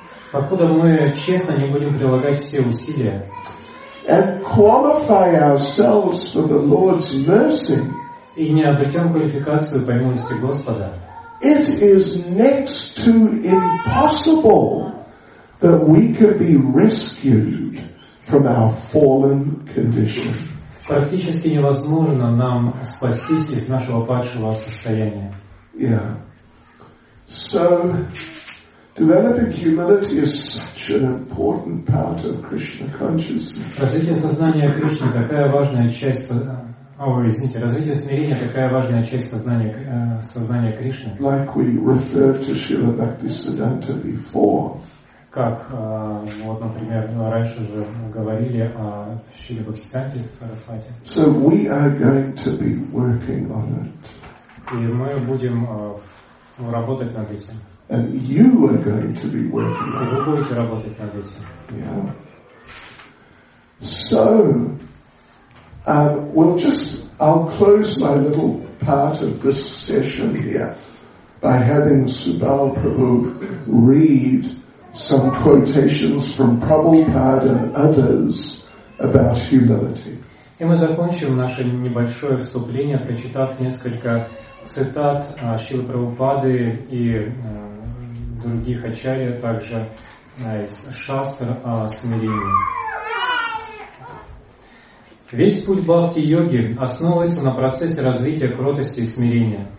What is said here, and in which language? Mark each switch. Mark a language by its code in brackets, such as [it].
[ru] покуда мы честно не будем прилагать все усилия, [en] and qualify ourselves for the Lord's mercy, [ru] и не обретем квалификацию по милости Господа, [en] it is next to impossible that we could be rescued from our fallen condition. [ru] Практически невозможно нам спастись из нашего падшего состояния. [en] Yeah. So, developing humility is such an important part of Krishna consciousness. [ru] Развитие сознания Кришны такая важная часть. Развитие смирения такая важная часть сознания Кришны. [en] Like we referred to Srila Bhaktisiddhanta before. [ru] Как, вот, например, раньше же говорили о Шриле Бхактисиддханте Сарасвати. [en] So we are going to be working on it. [ru] И мы будем работать над этим. [en] And you are going to be working on it. [ru] И вы будете работать над этим. [en] So, I'll close my little part of this session here by having Subal Prabhu read some quotations from Prabhupada and others about humility. [ru] И мы закончим наше небольшое вступление, прочитав несколько цитат Шрилы Прабхупады и других ачарья, также из шастр о смирении. Весь путь бхакти-йоги основывается на процессе развития кротости и смирения.